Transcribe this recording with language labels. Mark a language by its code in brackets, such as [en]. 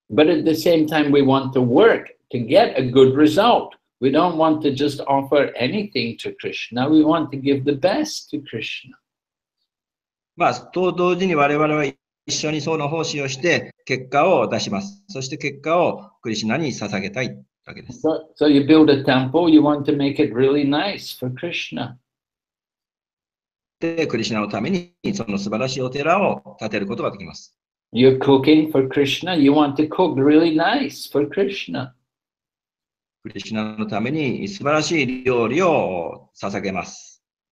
[en] But at the same time, we want to work to get a good result. We don't want to just offer anything to Krishna. We want to give the best to Krishna. [ja] まあ、と同時に我々は一緒にその奉仕をして結果を出します。そして結果をクリシュナに捧げたいわけです。 [en] So you build a temple, you want to make it really nice for Krishna. [ja] でクリシュナのためにその素晴らしいお寺を建てることができます。 [en] You're cooking for Krishna. You want to cook really nice for Krishna. [ja] クリシュナのために素晴らしい料理を捧げます。